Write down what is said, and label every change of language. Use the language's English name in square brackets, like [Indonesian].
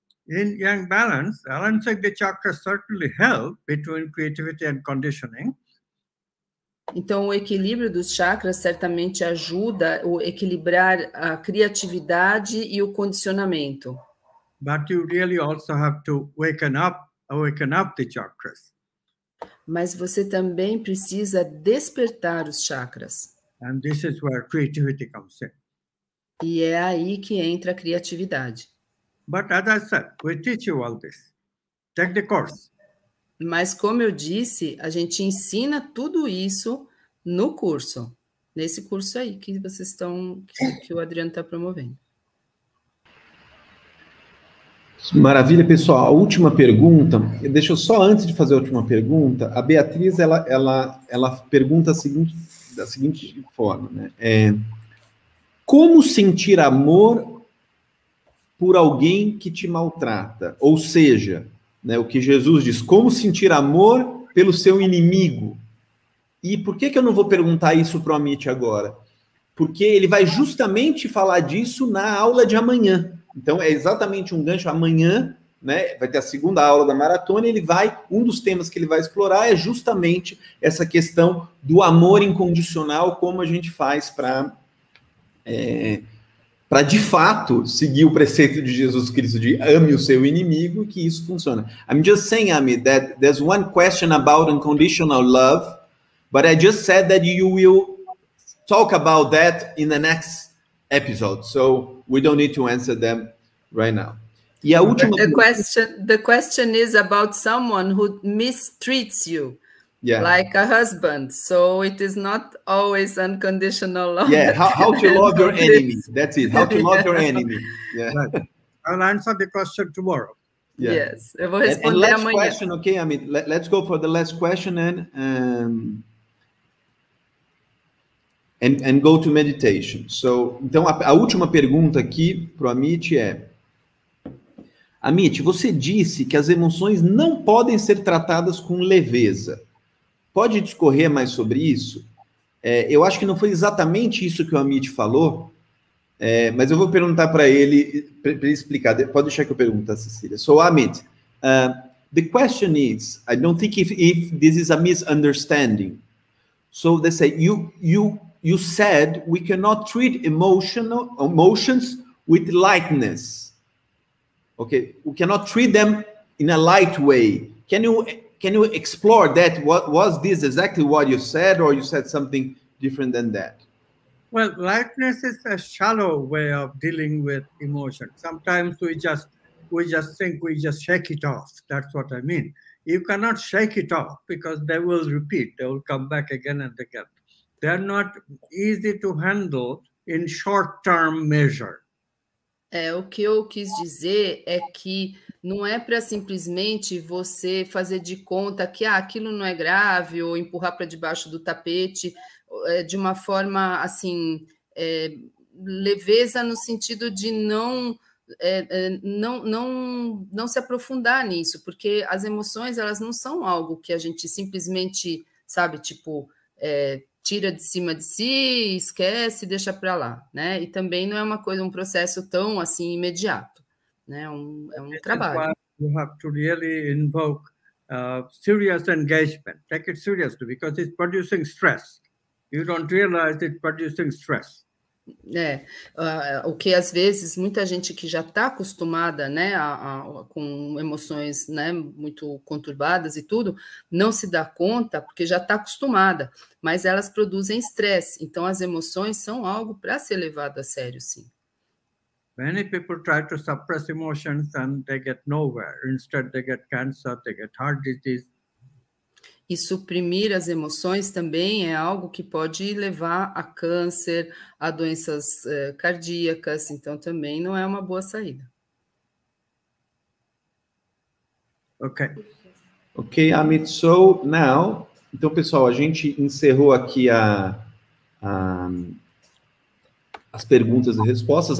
[English] Yin-yang balance, balancing the chakra certainly helps between creativity and conditioning. [Portuguese] Então, o equilíbrio dos chakras certamente ajuda a equilibrar a criatividade e o condicionamento. [English] But you really also have to awaken up the chakras. [Portuguese] Mas você também precisa despertar os chakras. [English] And this is where creativity comes in. [Portuguese] E é aí que entra a criatividade. [English] But as I said, we teach you all this. Take the course. [Portuguese] Mas como eu disse, a gente ensina tudo isso no curso. Nesse curso aí que vocês estão, que o Adriano está promovendo. Maravilha, pessoal. A última pergunta, deixa eu só, antes de fazer a última pergunta, a Beatriz, ela pergunta da seguinte forma, né? Como sentir amor por alguém que te maltrata? Ou seja, né, o que Jesus diz, como sentir amor pelo seu inimigo? E por que que eu não vou perguntar isso para o Amit agora? Porque ele vai justamente falar disso na aula de amanhã. Então, é exatamente um gancho. Amanhã, né, vai ter a segunda aula da maratona, e ele vai, um dos temas que ele vai explorar é justamente essa questão do amor incondicional, como a gente faz para de fato, seguir o preceito de Jesus Cristo de ame o seu inimigo, e que isso funciona. [English] I'm just saying, Amit, that there's one question about unconditional love, but I just said that you will talk about that in the next episode. So, we don't need to answer them right now. [Portuguese] E a última... [English] The question is about someone who mistreats you, yeah, like a husband. So it is not always unconditional love. Yeah, how to love your enemy. That's it. How to love your enemy. Yeah. I'll answer the question tomorrow. Yeah. Yes. [Portuguese] Eu vou responder [English] and last [Portuguese] amanhã. [English] Question, okay, Amit. Let's go for the last question and go to meditation. [Portuguese] So, então, a última pergunta aqui para o Amit é... Amit, você disse que as emoções não podem ser tratadas com leveza. Pode discorrer mais sobre isso? Eu acho que não foi exatamente isso que o Amit falou, mas eu vou perguntar para ele, para ele explicar. Pode deixar que eu pergunte, Cecília. [English] So, Amit, the question is, I don't think if this is a misunderstanding. So, they say, you said we cannot treat emotions with lightness. Okay, we cannot treat them in a light way. Can you explore that? What was this exactly what you said, or you said something different than that? Well, lightness is a shallow way of dealing with emotion. Sometimes we just think we just shake it off. That's what I mean. You cannot shake it off because they will repeat. They will come back again and again. They're not easy to handle in short-term measure. [Portuguese] O que eu quis dizer é que não é para simplesmente você fazer de conta que aquilo não é grave ou empurrar para debaixo do tapete de uma forma assim, leveza no sentido de não se aprofundar nisso, porque as emoções elas não são algo que a gente simplesmente, sabe, tipo, tira de cima de si, esquece, deixa para lá, né? E também não é uma coisa, um processo tão assim imediato, né? É um trabalho. [English] You have to really invoke serious engagement. Take it seriously because it's producing stress. You don't realize it's producing stress. [Portuguese] O que às vezes muita gente que já está acostumada, né, com emoções, né, muito conturbadas e tudo, não se dá conta porque já está acostumada, mas elas produzem estresse. Então as emoções são algo para ser levado a sério, sim. [English] Many people try to suppress emotions and they get nowhere. Instead, they get cancer, they get heart disease. [Portuguese] E suprimir as emoções também é algo que pode levar a câncer, a doenças cardíacas, então também não é uma boa saída. [English] Okay. Okay, Amit. So now, [Portuguese] então, pessoal, a gente encerrou aqui as perguntas e respostas.